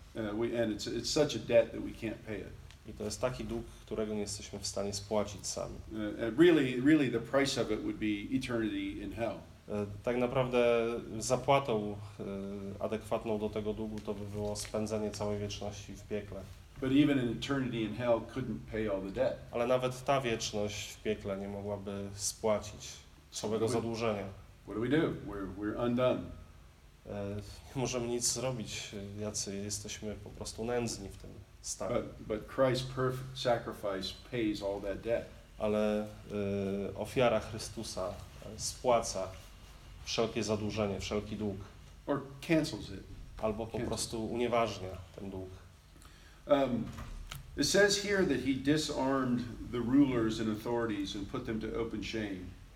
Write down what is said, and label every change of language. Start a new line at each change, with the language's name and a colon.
English: And it's such a debt that we can't pay it.
Polish: I to jest taki dług, którego nie jesteśmy w stanie spłacić sami.
English: Really the price of it would be eternity in hell.
Polish: Tak naprawdę zapłatą adekwatną do tego długu to by było spędzenie całej wieczności w piekle.
English: But even an eternity in hell couldn't pay all the debt.
Polish: Ale nawet ta wieczność w piekle nie mogłaby spłacić całego zadłużenia.
English: What do we do? We're undone.
Polish: Nie możemy nic zrobić, jacy jesteśmy po prostu nędzni w tym stanie.
English: But Christ's perfect sacrifice pays all that debt.
Polish: Ale ofiara Chrystusa spłaca wszelkie zadłużenie, wszelki dług.
English: Or cancels it.
Polish: Albo po prostu unieważnia ten dług.
English: It says here that he disarmed the rulers and authorities and put them to open shame.